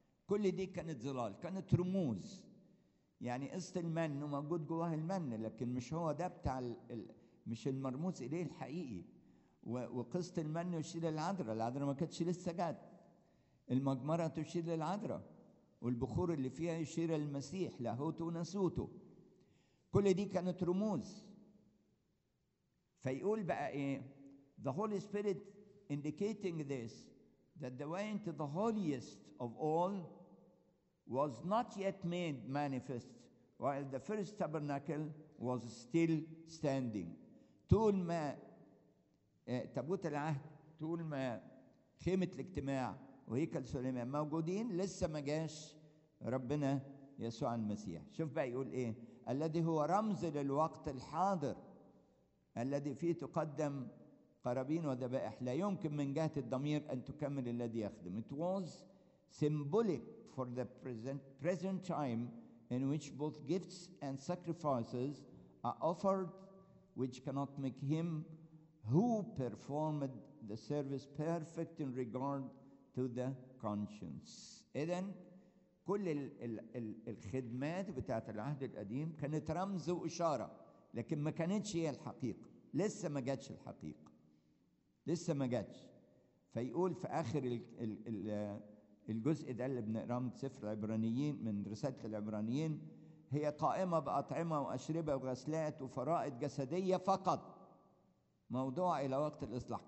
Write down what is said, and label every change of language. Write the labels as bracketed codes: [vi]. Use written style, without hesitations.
[ar] كل دي كانت ظلال، كانت رموز، يعني قصه المن موجود جواه المن، لكن مش هو ده بتاع مش المرموز اليه الحقيقي. وقصه المن يشير للعذراء، العذراء ما كانتش لسه جت. المجمره تشير للعذراء، والبخور اللي فيها يشير للمسيح لاهوته وناسوته. كل دي كانت رموز. فيقول بقى إيه؟ [en] The Holy Spirit indicating this, that the way into the holiest of all was not yet made manifest while the first tabernacle was still standing. [ar] طول ما تابوت العهد، طول ما خيمة الاجتماع وهيكل سليمان موجودين، لسه ما جاش ربنا يسوع المسيح. شوف بقى يقول إيه؟ الذي هو رمز للوقت الحاضر الذي فيه تقدم قرابين وذبائح، لا يمكن من جهة الضمير أن تكمل الذي يخدم. [en] It was symbolic for the present time in which both gifts and sacrifices are offered, which cannot make him who performed the service perfect in regard to the conscience. [ar] إذن كل الخدمات بتاعة العهد القديم كانت رمز وإشارة، لكن ما كانتش هي الحقيقة، لسه ما جاتش الحقيقة، لسه ما جاتش. فيقول في آخر الجزء ده اللي بنقرأه من سفر العبرانيين، من رسالة العبرانيين، هي قائمة بأطعمة وأشربة وغسلات وفرائض جسدية فقط، موضوع إلى وقت الإصلاح.